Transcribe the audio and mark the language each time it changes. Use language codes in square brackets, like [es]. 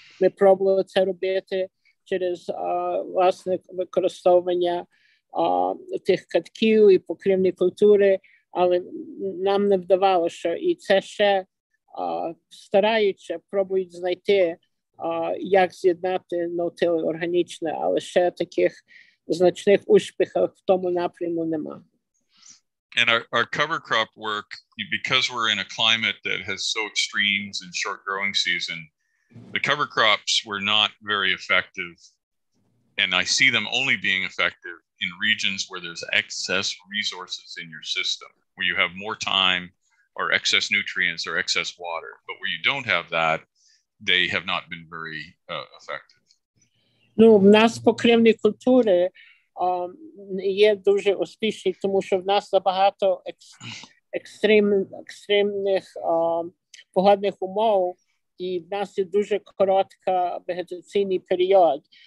[uk] Ми пробували це робити через власне використовування тих катків і покривні культури. Але нам не вдавалося, і це ще стараються, пробують знайти, як з'єднати no-till органічне, але ще таких значних успіхів в тому напрямку нема. [en] And our cover crop work, because we're in a climate that has so extremes and short growing season, the cover crops were not very effective, and I see them only being effective in regions where there's excess resources in your system. Where you have more time or excess nutrients or excess water, but where you don't have that, they have not been very effective. [uk] Ну, в нас покривні культури є дуже успішні, тому що в нас забагато екстремних погодних умов, і в нас є дуже коротка вегетаційний період.